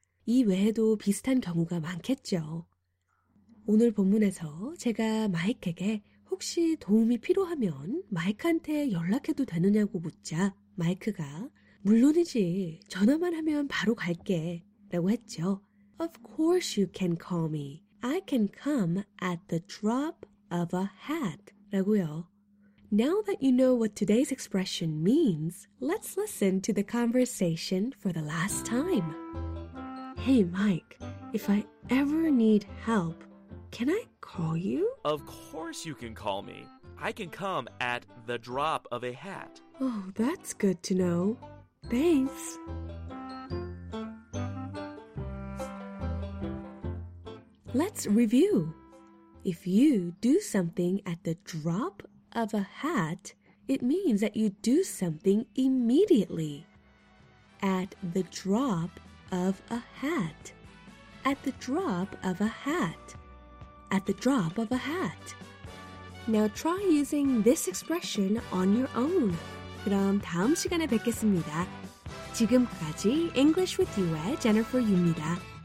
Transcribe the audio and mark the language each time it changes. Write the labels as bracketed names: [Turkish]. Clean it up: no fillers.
[Korean] 이 외에도 비슷한 경우가 많겠죠. 오늘 본문에서 제가 마이크에게 혹시 도움이 필요하면 마이크한테 연락해도 되느냐고 묻자 마이크가 물론이지 전화만 하면 바로 갈게 라고 했죠. [English] Of course you can call me. I can come at the drop of a hat. [Korean] 라고요. [English] Now that you know what today's expression means, let's listen to the conversation for the last time. Hey, Mike, if I ever need help, Can I call you? Of course you can call me. I can come at the drop of a hat. Oh, that's good to know. Thanks. 렛츠 리뷰. If you do something at the drop of a hat, it means that you do something immediately. At the drop of a hat. At the drop of a hat. At the drop of a hat. Now try using this expression on your own. [Korean] 그럼 다음 시간에 뵙겠습니다. 지금까지 English with You의 Jennifer 유입니다.